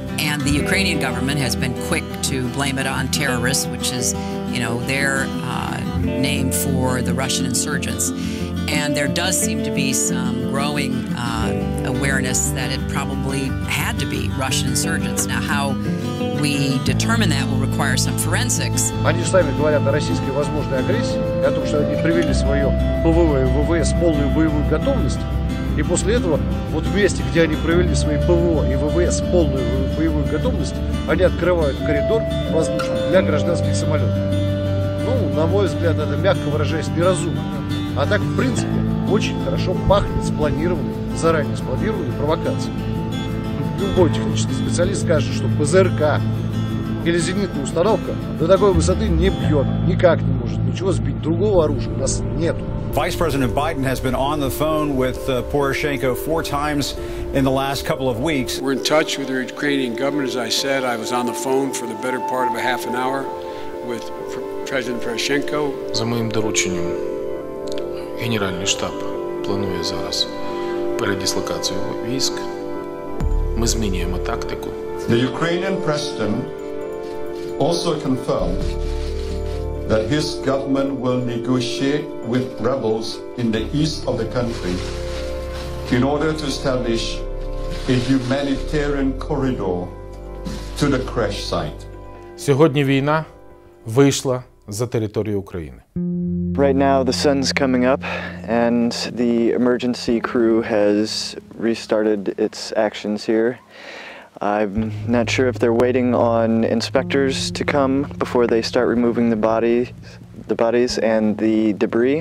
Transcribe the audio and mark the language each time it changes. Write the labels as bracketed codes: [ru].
[en] And the Ukrainian government has been quick to blame it on terrorists, which is, you know, their name for the Russian insurgents. And there does seem to be some growing awareness that it probably had to be Russian insurgents. Now, how we determine that will require some forensics. [ru] Они сами говорят о российской возможной агрессии, о том, что они привели свое ПВО и ВВС полную боевую готовность. И после этого, вот в месте, где они провели свои ПВО и ВВС полную боевую готовность, они открывают коридор воздушный для гражданских самолетов. Ну, на мой взгляд, это, мягко выражаясь, неразумно. А так, в принципе, очень хорошо пахнет спланированной, заранее спланированной провокацией. Любой технический специалист скажет, что ПЗРК или зенитная установка до такой высоты не бьет, никак не может ничего сбить. Другого оружия у нас нет. [en] Vice President Biden has been on the phone with Poroshenko four times in the last couple of weeks. We're in touch with the Ukrainian government. As I said, I was on the phone for the better part of a half an hour with President Poroshenko. [uk] За моїм дорученням Генеральний штаб планує зараз передислокацію військ. Ми змінюємо тактику. [en] The Ukrainian president also confirmed that his government will negotiate with rebels in the east of the country in order to establish a humanitarian corridor to the crash site. [uk] Сьогодні війна вийшла за територію України. [en] Right now the sun's coming up and the emergency crew has restarted its actions here. I'm not sure if they're waiting on inspectors to come before they start removing the bodies and the debris.